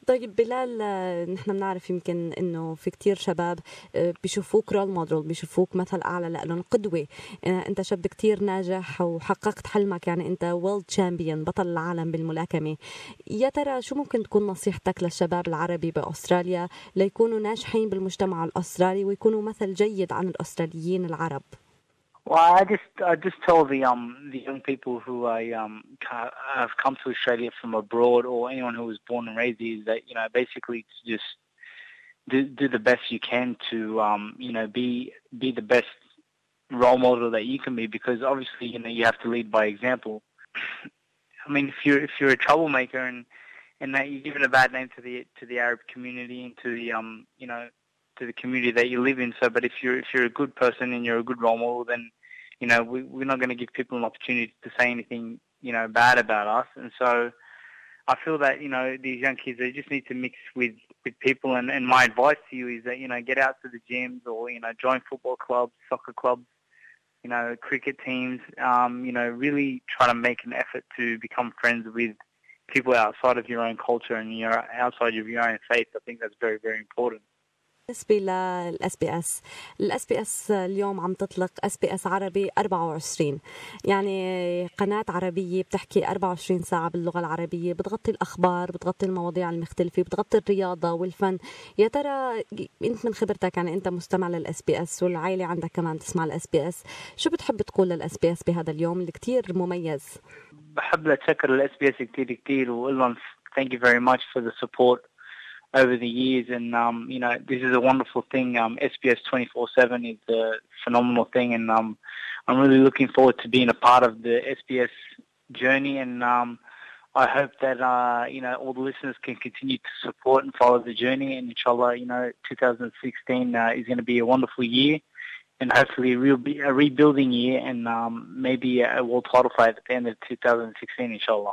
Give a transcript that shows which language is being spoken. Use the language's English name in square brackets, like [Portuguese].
[Arabic] طيب بلال, نحن بنعرف يمكن أنه في كتير شباب بيشوفوك رول مودل, بيشوفوك مثل أعلى لألون قدوة, أنت شاب كتير ناجح وحققت حلمك, يعني أنت world champion بطل العالم بالملاكمة, يا ترى شو ممكن تكون نصيحتك للشباب العربي بأستراليا ليكونوا ناجحين بالمجتمع الأسترالي ويكونوا مثل جيد عن الأستراليين العرب؟ [English] Well, I just tell the young people who have come to Australia from abroad or anyone who was born and raised here that, you know, basically to just do the best you can to, you know, be the best role model that you can be, because obviously, you know, you have to lead by example. I mean, if you're a troublemaker and that you're giving a bad name to the Arab community and to the, you know, to the community that you live in. So, but if you're a good person and you're a good role model, then, you know, we're not going to give people an opportunity to say anything, you know, bad about us. And so I feel that, you know, these young kids, they just need to mix with people. And my advice to you is that, you know, get out to the gyms or, you know, join football clubs, soccer clubs, you know, cricket teams, you know, really try to make an effort to become friends with people outside of your own culture and outside of your own faith. I think that's very, very important. [Arabic] بالنسبة للأس بي أس, الأس بي أس اليوم عم تطلق أس بي أس عربي 24, يعني قناة عربية بتحكي 24 ساعة باللغة العربية, بتغطي الأخبار, بتغطي المواضيع المختلفة, بتغطي الرياضة والفن. يا ترى أنت من خبرتك, يعني أنت مستمع للأس بي أس والعائلة عندك كمان تسمع الأس بي أس, شو بتحب تقول للأس بي أس بهذا اليوم اللي كتير مميز؟ [English] بحب لتشكر الأس بي أس كتير كتير, وإلهم thank you very much for the support over the years, and you know, this is a wonderful thing. SBS 24/7 is a phenomenal thing, and I'm really looking forward to being a part of the SBS journey, and I hope that you know, all the listeners can continue to support and follow the journey, and inshallah, you know, 2016 is going to be a wonderful year, and hopefully a rebuilding year, and maybe a world title fight at the end of 2016, inshallah.